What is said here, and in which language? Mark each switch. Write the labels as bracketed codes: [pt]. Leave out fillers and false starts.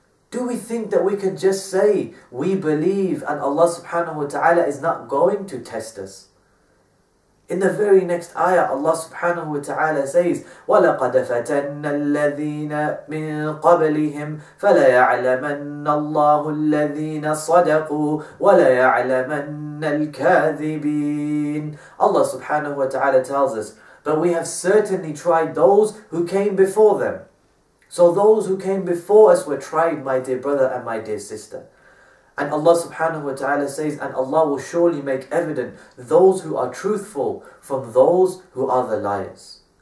[en] Do we think that we can just say, we believe, and Allah subhanahu wa ta'ala is not going to test us? In the very next ayah, Allah subhanahu wa ta'ala says, [ar] وَلَقَدْ فَتَنَّ الَّذِينَ مِنْ قَبْلِهِمْ فَلَيَعْلَمَنَّ اللَّهُ الَّذِينَ صَدَقُوا وَلَيَعْلَمَنَّ الْكَاذِبِينَ. [en] Allah subhanahu wa ta'ala tells us, but we have certainly tried those who came before them. So those who came before us were tried, my dear brother and my dear sister. And Allah subhanahu wa ta'ala says, and Allah will surely make evident those who are truthful from those who are the liars.